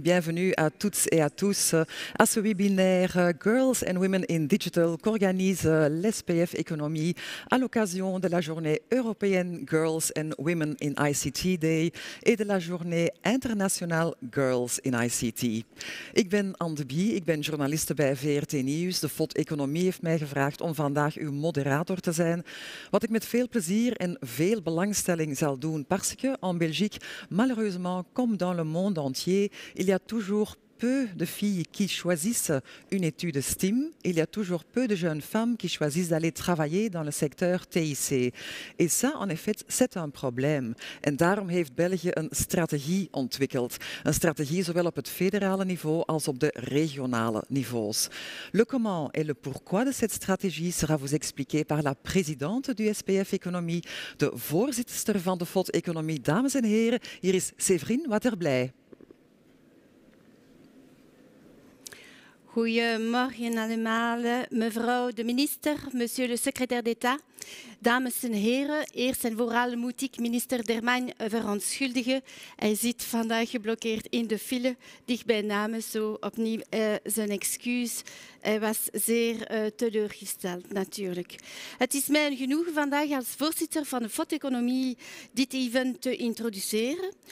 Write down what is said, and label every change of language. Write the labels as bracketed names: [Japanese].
[French] Bienvenue à toutes et à tous à ce webinaire Girls and Women in Digital qu'organise l'SPF Économie à l'occasion de la journée européenne Girls and Women in ICT Day et de la journée internationale Girls in ICT. [Dutch] Ik ben Anne de Bie, ik ben journaliste bij VRT Nieuws. De FOD Economie heeft mij gevraagd om vandaag uw moderator te zijn. Wat ik met veel plezier en veel belangstelling zal doen, [French] parce que en Belgique, malheureusement, comme dans le monde entier, il y a toujours peu de filles qui choisissent une étude STEM. Il y a toujours peu de jeunes femmes qui choisissent d'aller travailler dans le secteur TIC. Et ça, en effet, c'est un problème. [Dutch] Et daarom heeft België een strategie ontwikkeld. Een strategie zowel op het federale niveau als op de regionale niveaus. [French] Le comment et le pourquoi de cette stratégie sera vous expliqué par la présidente du SPF Economie, [Dutch] de voorzitter van de FOD Economie. Dames en heren, hier is Séverine Waterblij. Goedemorgen allemaal, mevrouw de minister, [French] monsieur le secrétaire d'État, [Dutch] dames en heren. Eerst en vooral moet ik minister Dermagne verontschuldigen. Hij zit vandaag geblokkeerd in de file, dichtbij namen, zo opnieuw zijn excuus. Hij was zeer teleurgesteld, natuurlijk. Het is mij een genoegen vandaag als voorzitter van de FOD Economie dit event te introduceren.